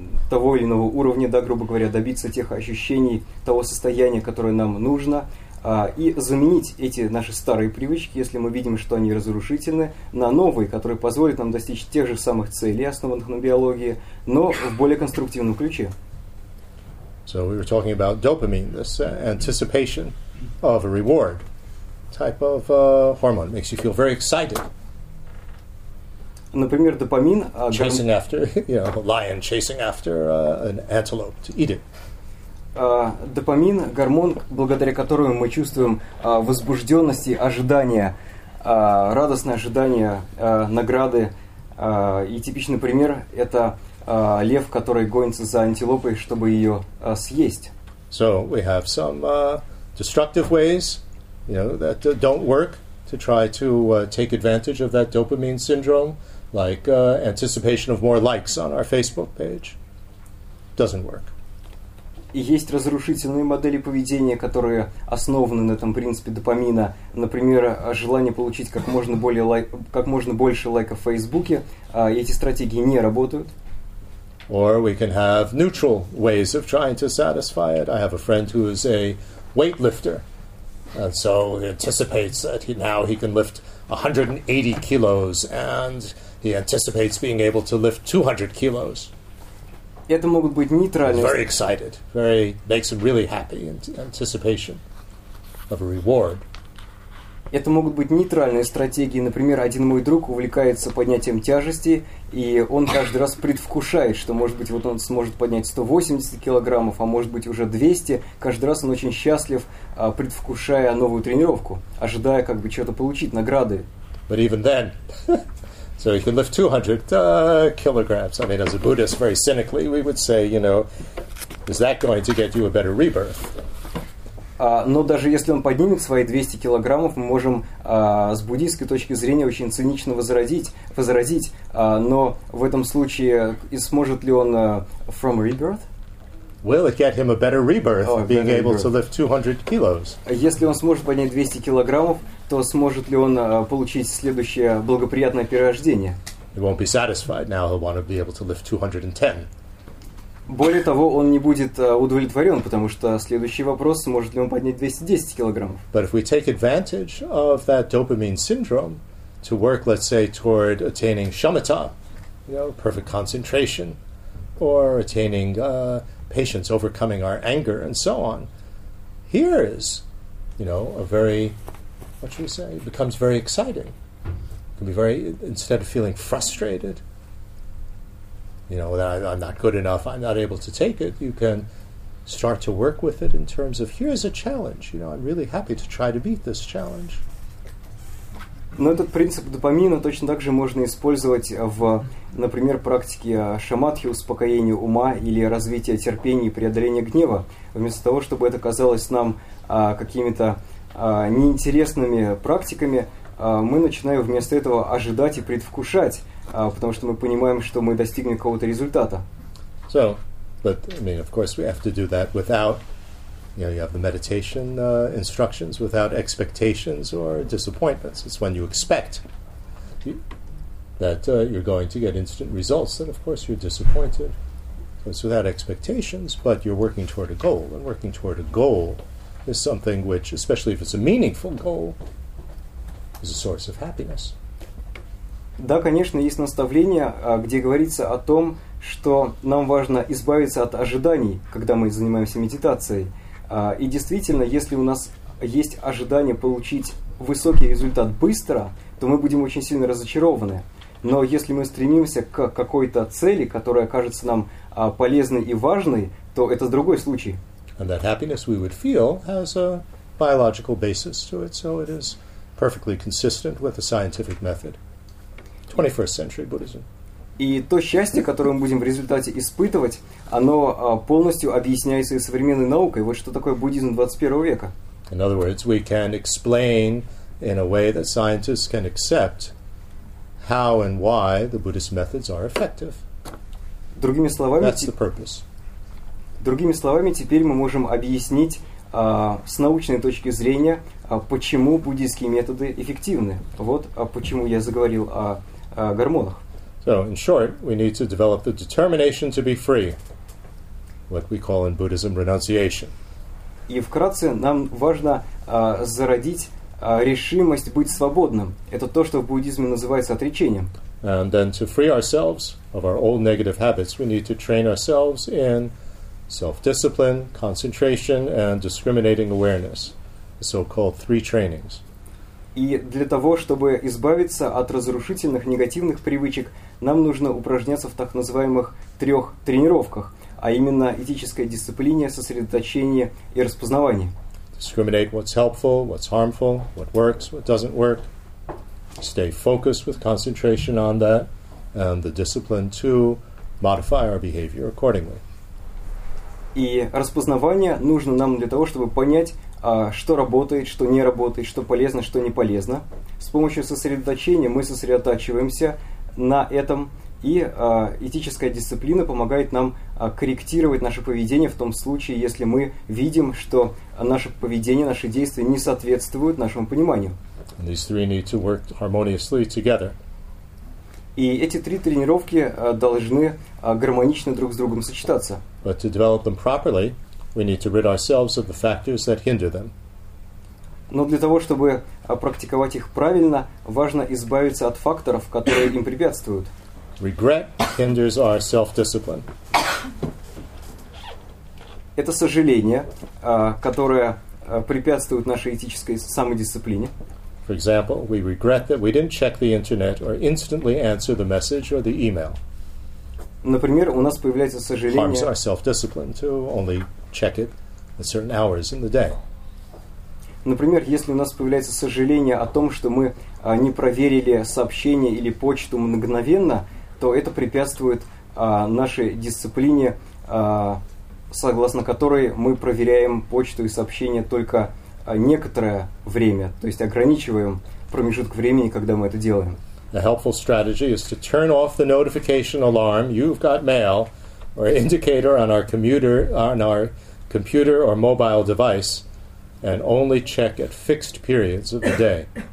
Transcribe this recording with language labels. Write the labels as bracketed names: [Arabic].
[Russian] того или иного уровня, да, грубо говоря, добиться тех ощущений, того состояния, которое нам нужно, и заменить эти наши старые привычки, если мы видим, что они разрушительны, на новые, которые позволят нам достичь тех же самых целей, основанных на биологии, но в более конструктивном ключе. [English] So we were talking about dopamine, this anticipation of a reward type of hormone. Makes you feel very excited. [Russian] Например, допамин, [English] chasing after, you know, a lion chasing after an antelope to eat it. [Russian] Допамин, гормон, благодаря которому мы чувствуем возбужденность и ожидание, радостное ожидание награды. И типичный пример – это лев, который гонится за антилопой, чтобы ее съесть. [English] So we have some destructive ways, you know, that don't work to try to take advantage of that dopamine syndrome, like anticipation of more likes on our Facebook page. Doesn't work. [Russian] Есть разрушительные модели поведения, которые основаны на этом принципе допамина. Например, желание получить как можно более как можно больше лайков в Фейсбуке. Эти стратегии не работают. [English] Or we can have neutral ways of trying to satisfy it. I have a friend who is a weightlifter. And so he anticipates that now he can lift 180 kilos, and he anticipates being able to lift 200 kilos. [Russian] Это могут быть нейтральные. [English] Very excited, very makes him really happy in anticipation of a reward. [Russian] Это могут быть нейтральные стратегии. Например, один мой друг увлекается поднятием тяжести, и он каждый раз предвкушает, что, может быть, вот он сможет поднять 180 килограммов, а может быть, уже 200. Каждый раз он очень счастлив, предвкушая новую тренировку, ожидая, как бы, чего-то получить, награды. [English] But even then, so he can lift 200 kilograms. I mean, as a Buddhist, very cynically, we would say, you know, is that going to get you a better rebirth? [Russian] Но даже если он поднимет свои 200 килограммов, мы можем с буддийской точки зрения очень цинично возразить, но в этом случае сможет ли он [English] from rebirth? Will it get him a better rebirth of being able to lift 200 kilos? [Russian] Если он сможет поднять 200 килограммов, то сможет ли он получить следующее благоприятное перерождение? [English] He won't be satisfied now, he'll want to be able to lift 210. [Russian] Более того, он не будет удовлетворен, потому что следующий вопрос, сможет ли он поднять 210 килограммов. [English] But if we take advantage of that dopamine syndrome to work, let's say, toward attaining shamatha, you know, perfect concentration, or attaining patience, overcoming our anger, and so on, here is, you know, a very, what should we say, it becomes very exciting. It can be very, instead of feeling frustrated, you know, that I'm not good enough, I'm not able to take it, you can start to work with it in terms of, here's a challenge, you know, I'm really happy to try to beat this challenge. [Russian] Но этот принцип допамина точно так же можно использовать в, например, практике шамадхи, успокоения ума или развития терпения и преодоления гнева. Вместо того, чтобы это казалось нам какими-то неинтересными практиками, мы начинаем вместо этого ожидать и предвкушать, потому что мы понимаем, что мы достигнем какого-то результата. [English] So, but, I mean, of course, we have to do that without, you know, you have the meditation instructions, without expectations or disappointments. It's when you expect that you're going to get instant results, then, of course, you're disappointed. So it's without expectations, but you're working toward a goal, and working toward a goal is something which, especially if it's a meaningful goal, is a source of happiness. [Russian] Да, конечно, есть наставление, где говорится о том, что нам важно избавиться от ожиданий, когда мы занимаемся медитацией. И действительно, если у нас есть ожидание получить высокий результат быстро, то мы будем очень сильно разочарованы. Но если мы стремимся к какой-то цели, которая кажется нам полезной и важной, то это другой случай. [English] And that happiness we would feel has a biological basis to it, so it is perfectly consistent with the scientific method. 21st century Buddhism. [Russian] И то счастье, которое мы будем в результате испытывать, оно полностью объясняется и современной наукой. Вот что такое буддизм 21 века. [English] In other words, we can explain in a way that scientists can accept how and why the Buddhist methods are effective. [Russian] Другими словами, [English] that's the purpose. [Russian] Другими словами, теперь мы можем объяснить с научной точки зрения, почему буддийские методы эффективны. Вот почему я заговорил о гормонах. [English] So, in short, we need to develop the determination to be free, what we call in Buddhism renunciation. [Russian] И вкратце, нам важно зародить решимость быть свободным. Это то, что в буддизме называется отречением. [English] And then to free ourselves of our old negative habits, we need to train ourselves in self-discipline, concentration, and discriminating awareness, the so-called three trainings. [Russian] И для того, чтобы избавиться от разрушительных негативных привычек, нам нужно упражняться в так называемых трех тренировках, а именно этическая дисциплина, сосредоточение и распознавание. [English] Discriminate what's helpful, what's harmful, what works, what doesn't work. Stay focused with concentration on that, and the discipline to modify our behavior accordingly. [Russian] И распознавание нужно нам для того, чтобы понять, что работает, что не работает, что полезно, что не полезно. С помощью сосредоточения мы сосредотачиваемся на этом, и этическая дисциплина помогает нам корректировать наше поведение в том случае, если мы видим, что наше поведение, наши действия не соответствуют нашему пониманию. [English] And these three need to work harmoniously together. [Russian] И эти три тренировки должны гармонично друг с другом сочетаться. [English] But to develop them properly, we need to rid ourselves of the factors that hinder them. [Russian] Но для того, чтобы практиковать их правильно, важно избавиться от факторов, которые им препятствуют. [English] Regret hinders our self-discipline. [Russian] Это сожаление, которое препятствует нашей этической самодисциплине. [English] For example, we regret that we didn't check the internet or instantly answer the message or the email. [Russian] Например, у нас появляется сожаление. [English] Harms our self-discipline to only check it at certain hours in the day. [Russian] Например, если у нас появляется сожаление о том, что мы не проверили сообщение или почту мгновенно, то это препятствует нашей дисциплине, согласно которой мы проверяем почту и сообщение только некоторое время, то есть ограничиваем промежуток времени, когда мы это делаем. [English] A helpful strategy is to turn off the notification alarm you've got mail or indicator on our commuter on our computer or mobile device and only check at fixed periods of the day.